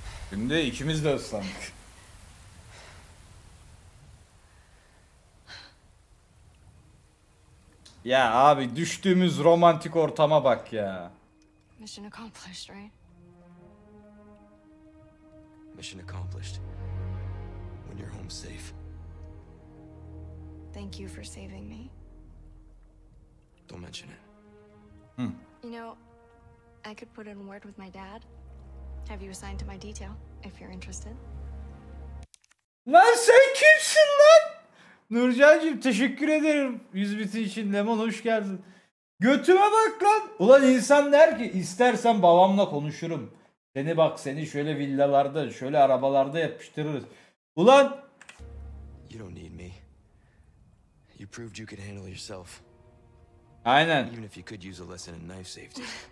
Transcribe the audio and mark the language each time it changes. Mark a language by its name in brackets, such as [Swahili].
[Turkish] Şimdi ikimiz de ıslandık. Ya abi düştüğümüz romantik ortama bak ya. [English] Mission accomplished, right? Mission accomplished. When you're home safe. Thank you for saving me. Don't mention it. Hmm. You know, I could put in word with my dad. Have you assigned to my detail, if you're interested. [Turkish] Lan sen kimsin lan? Nurcancığım teşekkür ederim. Yüz bitin için Lemon hoş geldin. Götüme bak lan. Ulan insan der ki istersen babamla konuşurum. Seni bak seni şöyle villalarda şöyle arabalarda yapıştırırız. Ulan. [English] You don't need me. You proved you could handle yourself. [Turkish] Aynen. [English] Even if you could use a lesson in knife safety.